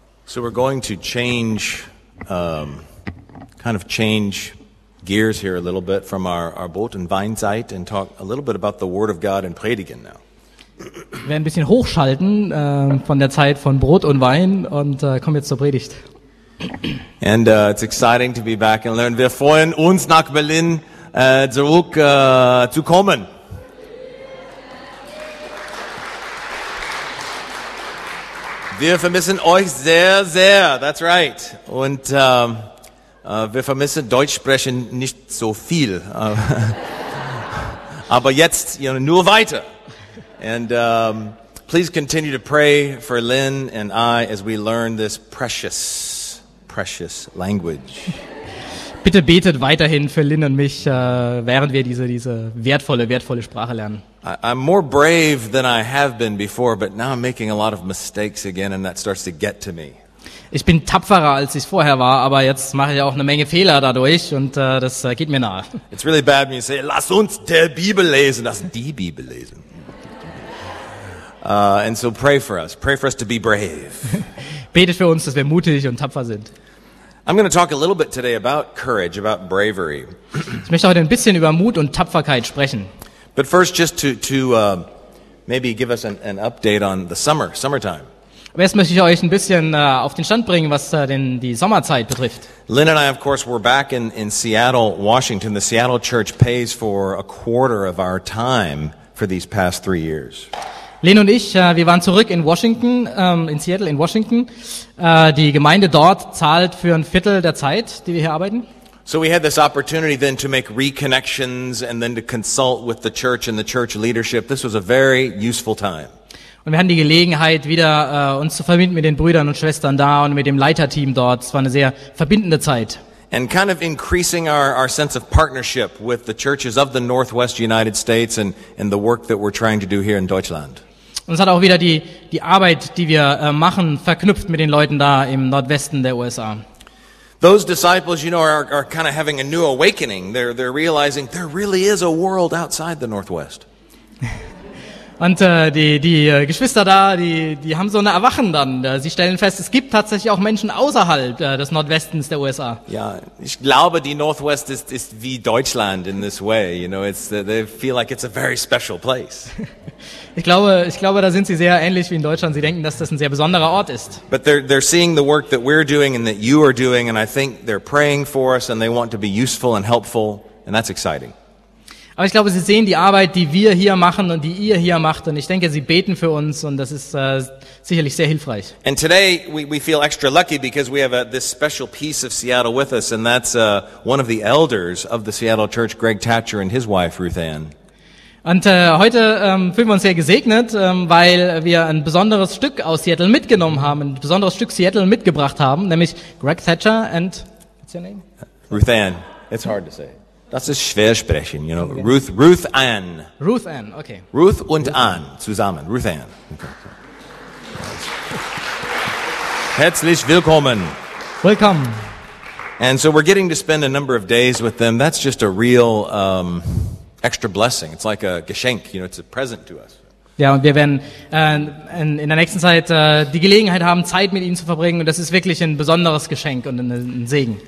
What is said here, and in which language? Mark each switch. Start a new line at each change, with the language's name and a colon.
English: So we're going to change, kind of change gears here a little bit from our
German: Brot und Weinzeit
English: and talk a little bit about the Word of God and Predigen now.
German: Wir werden ein bisschen hochschalten von der Zeit von Brot und Wein und kommen jetzt zur Predigt.
English: And it's exciting to be back and learn.
German: Wir freuen uns nach Berlin zurück zu kommen. Wir vermissen euch sehr, sehr,
English: that's right.
German: Und wir vermissen Deutsch sprechen nicht so viel. Aber jetzt,
English: you know,
German: nur weiter.
English: And please continue to pray for Lynn and I as we learn this precious, precious language.
German: Bitte betet weiterhin für Lynn und mich, während wir diese wertvolle Sprache lernen.
English: I'm more brave than I have been before, but now I'm making a lot of mistakes again, and that starts to get to me.
German: Ich bin tapferer, als ich vorher war, aber jetzt mache ich auch eine Menge Fehler dadurch, und das geht mir nahe.
English: It's really bad when you say,
German: "Lass uns der Bibel lesen, lass die Bibel lesen."
English: And so pray for us to be brave.
German: Betet für uns, dass wir mutig und tapfer sind.
English: I'm going to talk a little bit today about courage, about bravery.
German: Ich möchte heute ein bisschen über Mut und Tapferkeit sprechen.
English: But first, just to maybe give us an update on the summertime.
German: Aber jetzt möchte ich euch ein bisschen auf den Stand bringen, was denn die Sommerzeit betrifft.
English: Lynn and I, of course, we're back in Seattle, Washington. The Seattle Church pays for a quarter of our time for these past 3 years.
German: Lynn und ich, wir waren zurück in Washington, in Seattle, in Washington. Die Gemeinde dort zahlt für ein Viertel der Zeit, die wir hier arbeiten.
English: So we had this opportunity then to make reconnections and then to consult with the church and the church leadership. This was a very useful time.
German: Und wir hatten die Gelegenheit, wieder uns zu verbinden mit den Brüdern und Schwestern da und mit dem Leiterteam dort. Es war eine sehr verbindende Zeit.
English: And kind of increasing our sense of partnership with the churches of the Northwest United States and the work that we're trying to do here in Deutschland.
German: Und es hat auch wieder die Arbeit, die wir machen, verknüpft mit den Leuten da im Nordwesten der USA.
English: Those disciples, you know, are kind of having a new awakening. They're realizing there really is a world outside the Northwest.
German: Und die Geschwister da, die haben so ein Erwachen dann. Sie stellen fest, es gibt tatsächlich auch Menschen außerhalb des Nordwestens der USA. Ja, ich glaube, die Northwest ist wie Deutschland
English: in this way. You know, they feel like it's a very special place.
German: Ich glaube, da sind sie sehr ähnlich wie in Deutschland. Sie denken, dass das ein sehr besonderer Ort ist.
English: But they're seeing the work that we're doing and that you are doing, and I think they're praying for us and they want to be useful and helpful, and that's exciting.
German: Aber ich glaube, sie sehen die Arbeit, die wir hier machen und die ihr hier macht, und ich denke, sie beten für uns, und das ist sicherlich sehr hilfreich.
English: And today we feel extra lucky because we have this special piece of Seattle with us, and that's one of the elders of the Seattle Church, Greg Thatcher, and his wife Ruth Ann.
German: Und heute fühlen wir uns sehr gesegnet, weil wir ein besonderes Stück aus Seattle mitgenommen haben, ein besonderes Stück Seattle mitgebracht haben, nämlich Greg Thatcher
English: and what's your name? Ruth Ann. It's hard to say.
German: Das ist schwer sprechen,
English: you know. Okay. Ruth Ann. Ruth Ann, okay.
German: Ruth und Ann zusammen. Ruth Ann. Okay. Herzlich willkommen. Willkommen.
English: And so we're getting to spend a number of days with them. That's just a real extra blessing. It's like a Geschenk, you know, it's a present to us.
German: Ja, und wir werden in der nächsten Zeit die Gelegenheit haben, Zeit mit ihnen zu verbringen, und das ist wirklich ein besonderes Geschenk und ein Segen.